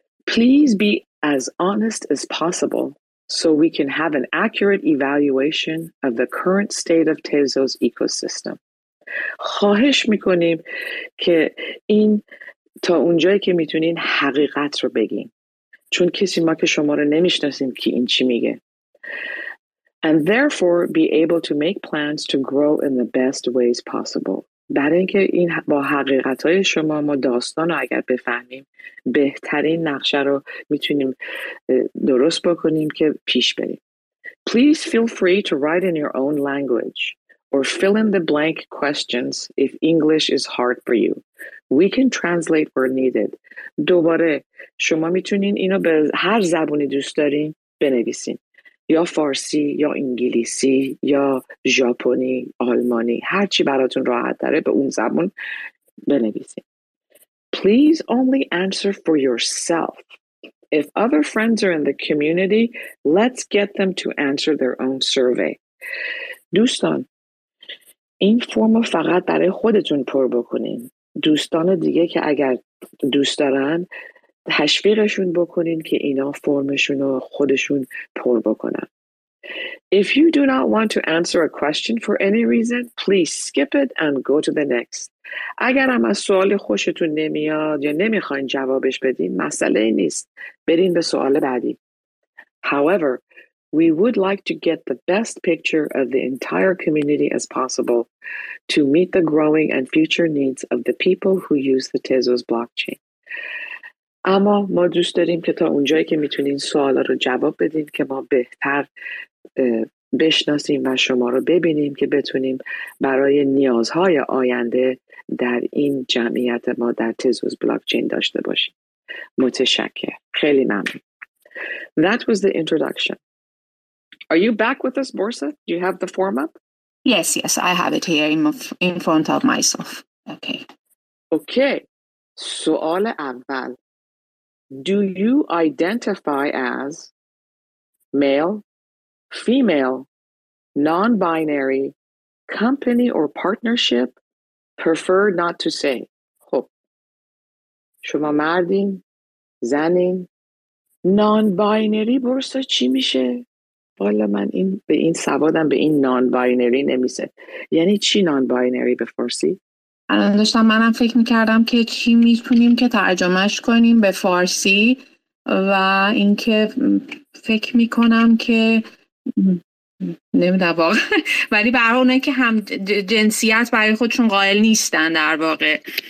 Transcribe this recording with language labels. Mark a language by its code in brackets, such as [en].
[en] Please be as honest as possible so we can have an accurate evaluation of the current state of Tezos ecosystem. [fa] خواهش میکنیم که این تا اونجایی که میتونین حقیقت رو بگین چون کسی ما که شما رو نمیشناسیم که این چی میگه. [en] And therefore be able to make plans to grow in the best ways possible. [fa] برای اینکه این با حقیقت‌های شما ما داستان رو اگر بفهمیم بهترین نقشه رو میتونیم درست بکنیم که پیش بریم. [en] Please feel free to write in your own language or fill in the blank questions if English is hard for you. We can translate where needed. [fa] دوباره شما میتونین اینو به هر زبونی دوست دارین بنویسین. یا فارسی، یا انگلیسی، یا ژاپنی، آلمانی، هر چی براتون راحت داره به اون زبون بنویسین. [en] Please only answer for yourself. If other friends are in the community, let's get them to answer their own survey. [fa] دوستان این فرم فقط برای خودتون پر بکنین. دوستان دیگه که اگر دوست دارن تشویقشون بکنین که اینا فرمشون رو خودشون پر بکنن. If you do not want to answer a question for any reason, please skip it and go to the next. اگر هم از سوال خوشتون نمیاد یا نمیخواین جوابش بدین مسئله نیست. برین به سوال بعدی. [en] However, we would like to get the best picture of the entire community as possible to meet the growing and future needs of the people who use the Tezos blockchain. [fa] اما ما دوست داریم که تا اونجایی که میتونین سوالا رو جواب بدین که ما بهتر بشناسیم و شما رو ببینیم که بتونیم برای نیازهای آینده در این جمعیت ما در تزوز بلاکچین داشته باشیم. متشکر. خیلی ممنون. [en] That was the introduction. Are you back with us, Borsa? Do you have the form up? Yes, I have it here in front of myself. Okay. [fa] سوال اول. [en] Do you identify as male, female, non-binary, company or partnership, prefer not to say? [fa] خب. شما مردین، زنین، non-binary برسا چی میشه؟ والا من این به این سوادم به این non-binary نمیشه. یعنی چی non-binary به فارسی؟ الان داشتم منم فکر میکردم که کی میتونیم که ترجمهش کنیم به فارسی و اینکه فکر میکنم که نمیدونم واقعا ولی برای اونه که هم جنسیت برای خودشون قائل نیستن در واقع.